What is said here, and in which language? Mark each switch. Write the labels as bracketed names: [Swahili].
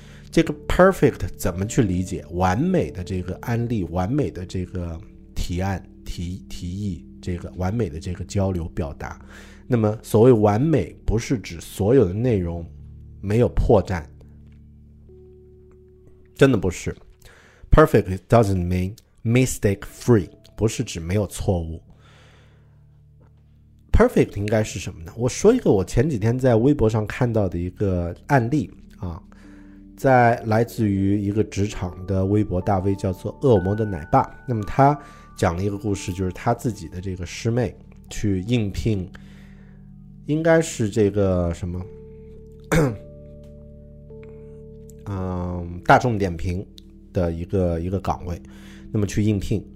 [Chinese] 这个 perfect 怎么去理解？完美的这个案例，完美的这个提案 提议，这个完美的这个交流表达。那么所谓完美不是指所有的内容没有破绽，真的不是。 [English] perfect doesn't mean mistake free， [Chinese] 不是指没有错误。 Perfect 应该是什么呢？我说一个我前几天在微博上看到的一个案例啊，在来自于一个职场的微博大 V， 叫做恶魔的奶爸。那么他讲了一个故事，就是他自己的这个师妹去应聘，应该是这个什么大众点评的一个岗位，那么去应聘。